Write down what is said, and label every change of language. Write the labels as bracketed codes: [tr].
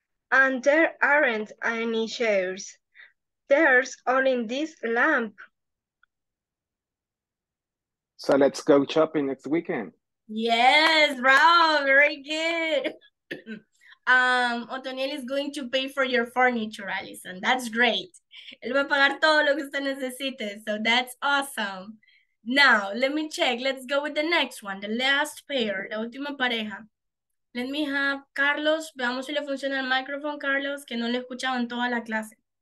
[en] And there aren't any chairs. There's only this lamp. So let's go shopping next weekend. Yes, bravo, very good. Otoniel is going to pay for your furniture, Allison. That's great. [es] Él va a pagar todo lo que usted necesite. [en] So that's awesome. Now, let me check. Let's go with the next one. The last pair. [es] La última pareja. [en] Let me have Carlos. [es] Veamos si le funciona el micrófono, Carlos, que no le he escuchado en toda la clase.